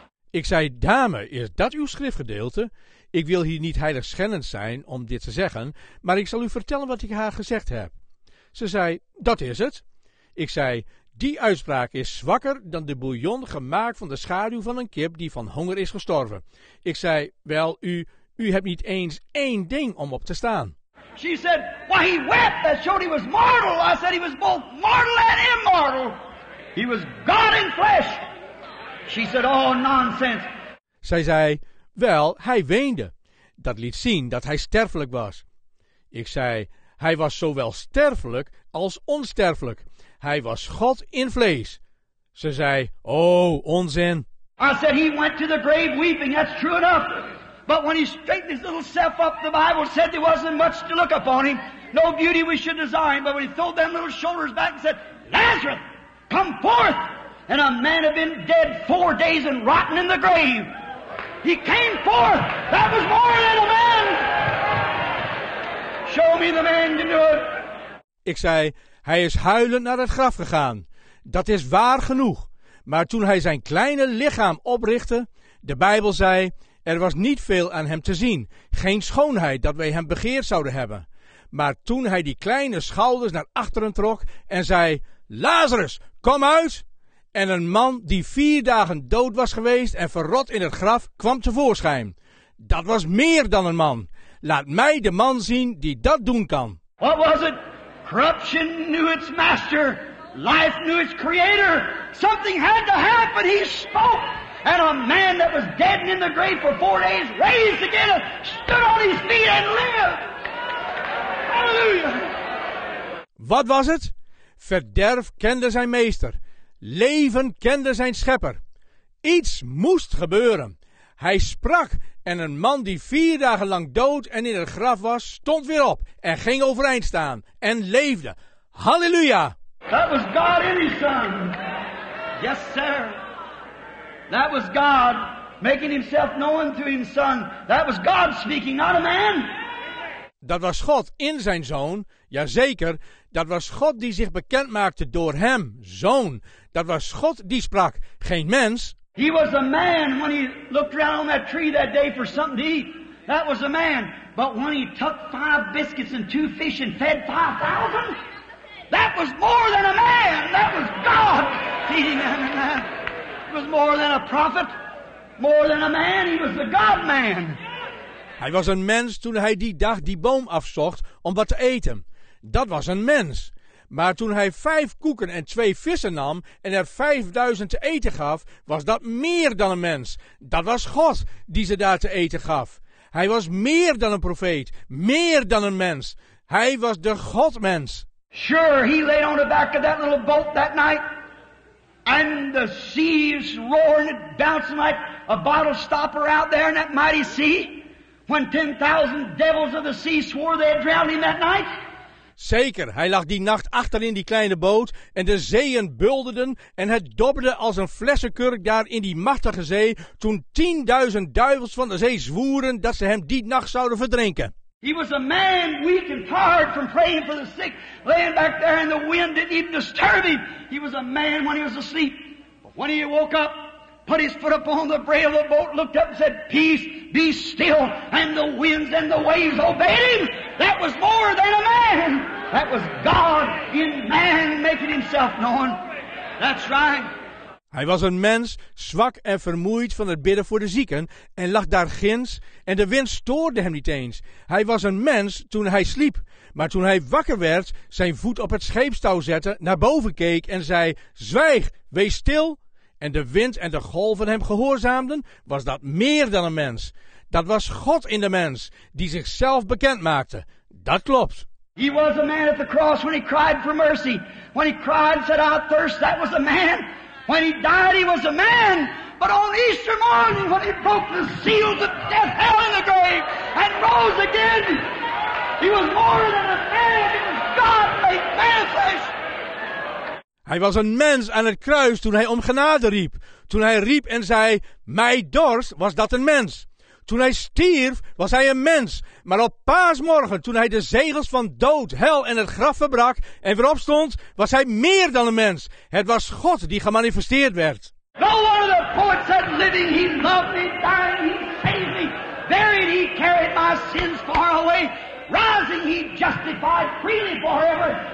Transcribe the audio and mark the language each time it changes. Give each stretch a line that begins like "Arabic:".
Dutch: Ik zei, dame, is dat uw schriftgedeelte? Ik wil hier niet heiligschennend zijn om dit te zeggen, maar ik zal u vertellen wat ik haar gezegd heb. Ze zei, dat is het. Ik zei, die uitspraak is zwakker dan de bouillon gemaakt van de schaduw van een kip die van honger is gestorven. Ik zei, wel, u hebt niet eens één ding om op te staan.
English: She said, why he wept, that showed he was mortal. I said he was both mortal and immortal. He was God in flesh. She said, oh, nonsense.
Dutch: Zij zei, wel, hij weende. Dat liet zien dat hij sterfelijk was. Ik zei, hij was zowel sterfelijk als onsterfelijk. Hij was God in vlees. Ze zei, oh, onzin.
English: I said, he went to the grave weeping. That's true enough. But when he straightened his little self up, the Bible said there wasn't much to look upon him. No beauty we should desire him. But when he threw them little shoulders back and said, Lazarus, come forth. And a man had been dead 4 days and rotten in the grave. He came forth. That was more than a man. Show me the man to do it.
Dutch: Ik zei, hij is huilend naar het graf gegaan. Dat is waar genoeg. Maar toen hij zijn kleine lichaam oprichtte, de Bijbel zei, er was niet veel aan hem te zien. Geen schoonheid dat wij hem begeerd zouden hebben. Maar toen hij die kleine schouders naar achteren trok en zei, Lazarus, kom uit! En een man die 4 dagen dood was geweest en verrot in het graf kwam tevoorschijn. Dat was meer dan een man. Laat mij de man zien die dat doen kan.
English: What was it? Corruption knew its master. Life knew its creator. Something had to happen. He spoke. And a man that was dead and in the grave for 4 days, raised again, stood on his feet and lived. Hallelujah.
Dutch: Wat was het? Verderf kende zijn meester. Leven kende zijn schepper. Iets moest gebeuren. Hij sprak en een man die 4 dagen lang dood en in het graf was, stond weer op en ging overeind staan en leefde. Halleluja!
English: That was God in his son. Yes, sir. That was God making himself known to his son. That was God speaking, not a man.
Dutch: Dat was God in zijn zoon. Jazeker, dat was God die zich bekend maakte door hem, zoon. Dat was God die sprak, geen mens.
English: He was a man when he looked around on that tree that day for something to eat. That was a man. But when he took 5 biscuits and 2 fish and fed 5,000, that was more than a man. That was God feeding that man. It was more than a prophet, more than a man. He was the God man.
Dutch: Hij was een mens toen hij die dag die boom afzocht om wat te eten. Dat was een mens. Maar toen hij 5 koeken en 2 vissen nam en er 5000 te eten gaf, was dat meer dan een mens. Dat was God die ze daar te eten gaf. Hij was meer dan een profeet, meer dan een mens. Hij was de Godmens.
English: Sure, he lay on the back of that little boat that night. And the seas roaring and bouncing like a bottle stopper out there in that mighty sea. When 10,000 devils of the sea swore they had drowned him that night.
Dutch: Zeker, hij lag die nacht achterin die kleine boot en de zeeën bulderden en het dobberde als een flessenkurk daar in die machtige zee toen 10.000 duivels van de zee zwoeren dat ze hem die nacht zouden verdrinken.
English: He was a man weak and tired from praying for the sick, laying back there and the wind didn't even disturb him. He was a man when he was asleep. But when he woke up, put his foot upon the rail of the boat, looked up and said, "Peace, be still," and the winds and the waves obeyed him. That was more than a man. That was God in man making himself known. That's right.
Dutch: Hij was een mens, zwak en vermoeid van het bidden voor de zieken, en lag daar ginds, en de wind stoorde hem niet eens. Hij was een mens toen hij sliep, maar toen hij wakker werd, zijn voet op het scheepstouw zette, naar boven keek en zei, "Zwijg, wees stil," en de wind en de golven hem gehoorzaamden, was dat meer dan een mens. Dat was God in de mens, die zichzelf bekend maakte. Dat klopt.
English: He was a man at the cross when he cried for mercy. When he cried and said, "I thirst," that was a man. When he died, he was a man. But on Easter morning, when he broke the seals of death, hell, and the grave, and rose again, he was more than a man. He was God made manifest.
Dutch: Hij was een mens aan het kruis toen hij om genade riep. Toen hij riep en zei, "Mij dorst," was dat een mens. Toen hij stierf, was hij een mens. Maar op paasmorgen, toen hij de zegels van dood, hel en het graf verbrak en weer opstond, was hij meer dan een mens. Het was God die gemanifesteerd werd.
English: No one of the poets said, "Living, he loved me, dying, he saved me. Buried, he carried my sins far away. Rising, he justified freely forever.